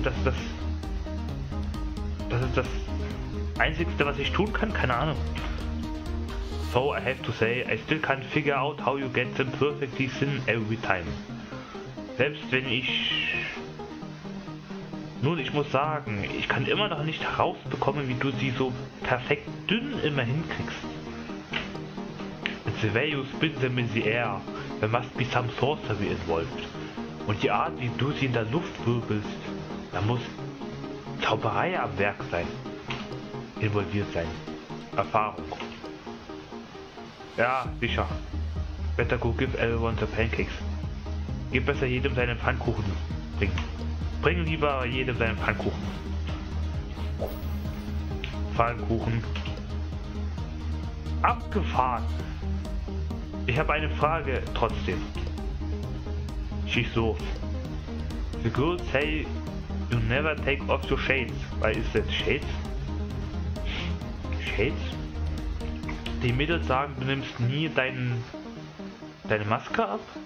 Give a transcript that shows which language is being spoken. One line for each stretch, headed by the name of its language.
German: Das ist das Einzigste, was ich tun kann, keine Ahnung.
English: So I have to say, I still can't figure out how you get them perfectly thin every time.
German: Selbst wenn ich... Nun, ich muss sagen, ich kann immer noch nicht herausbekommen, wie du sie so perfekt dünn immer hinkriegst.
English: It's the way you spin them in the air. There must be some sorcery involved.
German: Und die Art, wie du sie in der Luft wirbelst, da muss Zauberei am Werk sein. Involviert sein. Erfahrung. Ja, sicher.
English: Better go give everyone the pancakes.
German: Gib besser jedem seinen Pfannkuchen. Bring lieber jedem seinen Pfannkuchen. Pfannkuchen. Abgefahren. Ich habe eine Frage trotzdem.
English: She's so. The girls say you never take off your shades. Why is that shades? Shades?
German: die Mädels sagen, du nimmst nie deine Maske ab.